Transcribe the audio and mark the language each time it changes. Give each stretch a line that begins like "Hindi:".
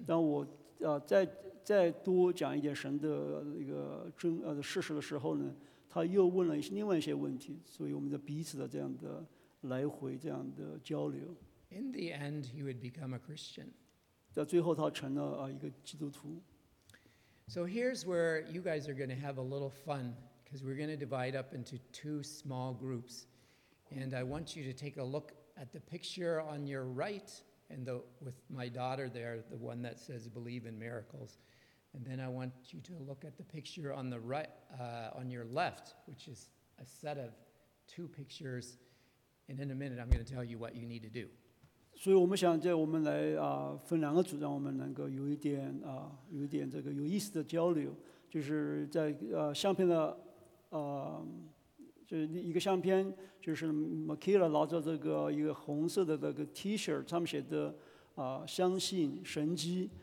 Chinese: 当我再多讲一点神的一个真事实的时候呢，他又问了另外一些问题，所以我们的彼此的这样的来回这样的交流。
English: In the end, he would become a Christian.
Chinese: 在最后，他成了一个基督徒。
English: So here's where you guys are going to have a little fun, because we're going to divide up into two small groups. And I want you to take a look at the picture on your right, and with my daughter there, the one that says believe in miracles. And then I want you to look at the picture on the right, on your left, which is a set of two pictures. And in a minute, I'm going to tell you what you need to do.
Chinese: 所以我们想在我们来分两个组，让我们能够有一点这个有意思的交流，就是在相片的就是一个相片，就是 Makila 拿着这个一个红色的这个 T-shirt， 上面写的相信神迹。